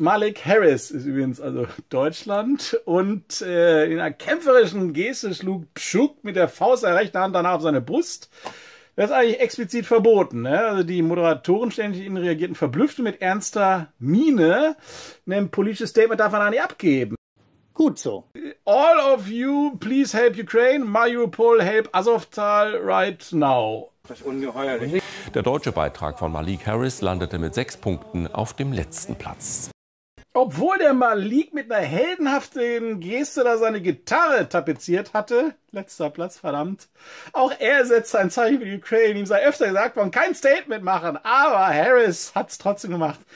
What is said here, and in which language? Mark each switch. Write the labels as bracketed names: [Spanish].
[German] Malik Harris ist übrigens also Deutschland. Und in einer kämpferischen Geste schlug Pschuk mit der Faust der rechten Hand danach auf seine Brust. Das ist eigentlich explizit verboten. Ne? Also die Moderatoren stellen sich innen, reagierten verblüfft und mit ernster Miene. Ein politisches Statement darf man da nicht abgeben. Gut so. [English] All of you, please help Ukraine. Mariupol, help Azovtal right now. [German] Das ist ungeheuerlich. Der deutsche Beitrag von Malik Harris landete mit 6 Punkten auf dem letzten Platz. Obwohl der Malik mit einer heldenhaften Geste da seine Gitarre tapeziert hatte, letzter Platz, verdammt, auch er setzt ein Zeichen für die Ukraine. Ihm sei öfter gesagt worden, kein Statement machen, aber Harris hat es trotzdem gemacht.